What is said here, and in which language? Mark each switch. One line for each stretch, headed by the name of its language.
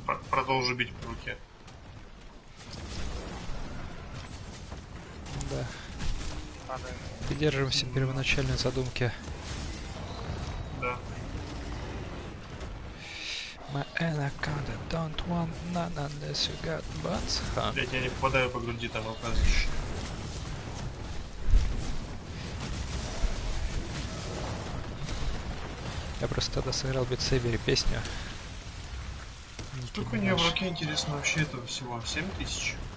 Russian: Продолжу бить по руке. Да. Придерживаемся первоначальной задумки. Да.
English: My anaconda don't want none unless you got buns, huh?
Russian: Блять, я не попадаю по груди, там оказывается. Я просто тогда сыграл Beat Saber песню. Сколько у нее в руке, интересно, вообще этого всего? 7000?